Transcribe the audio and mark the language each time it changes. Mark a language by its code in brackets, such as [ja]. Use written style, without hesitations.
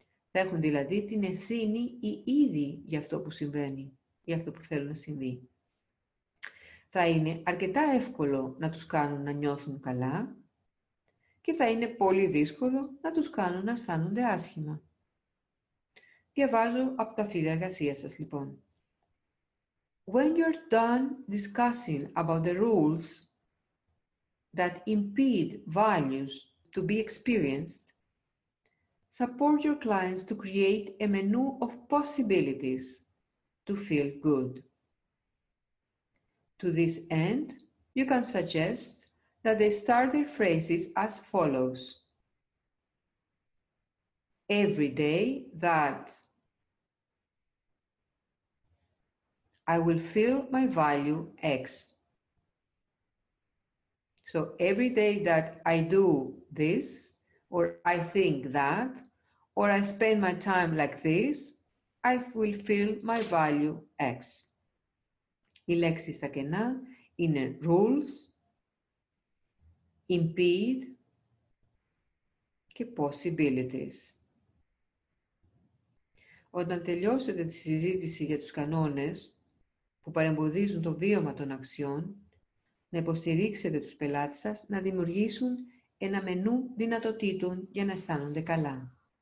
[el] Θα έχουν δηλαδή την ευθύνη ή ήδη για αυτό που συμβαίνει, για αυτό που θέλουν να συμβεί. Θα είναι αρκετά εύκολο να τους κάνουν να νιώθουν καλά και θα είναι πολύ δύσκολο να τους κάνουν να αισθάνονται άσχημα. Διαβάζω από τα φύλλα εργασίας σας, λοιπόν. [en] When you're done discussing about the rules that impede values to be experienced, support your clients to create a menu of possibilities to feel good. To this end, you can suggest that they start their phrases as follows. Every day that I will feel my value X. So every day that I do this, or I think that, or I spend my time like this, I will feel my value X. [el] Οι λέξεις στα κενά είναι rules, impede και possibilities. Όταν τελειώσετε τη συζήτηση για τους κανόνες που παρεμποδίζουν το βίωμα των αξιών, να υποστηρίξετε τους πελάτες σας να δημιουργήσουν ένα μενού δυνατοτήτων για να αισθάνονται καλά.